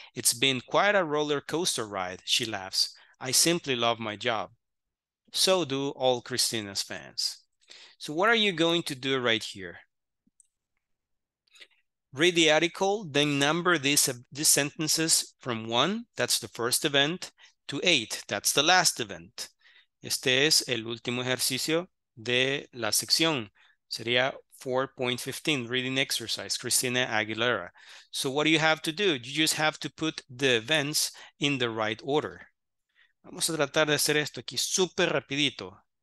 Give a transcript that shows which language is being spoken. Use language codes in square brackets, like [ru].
[en] It's been quite a roller coaster ride, she laughs. I simply love my job. So do all Christina's fans. So what are you going to do right here? Read the article, then number these sentences from 1, that's the first event, to 8, that's the last event. [es] Este es el último ejercicio de la sección. Sería 4.15, reading exercise, Christina Aguilera. [en] So what do you have to do? You just have to put the events in the right order. [es] Vamos a tratar de hacer esto aquí súper rapidito.